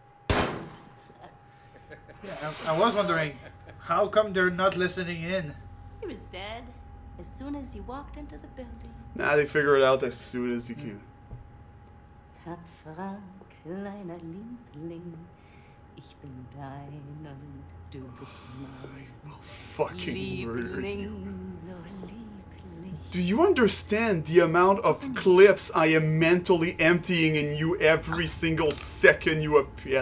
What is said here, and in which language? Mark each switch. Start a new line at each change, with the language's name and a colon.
English: I was wondering, how come they're not listening in? He was dead. As soon as he walked into the building. Nah, they figure it out as soon as he came.
German: Tapfer, kleiner Liebling, ich bin dein und du bist mein.
English: Oh, fucking
German: Liebling,
English: murder. Do you understand the amount of clips I am mentally emptying in you every single second you appear?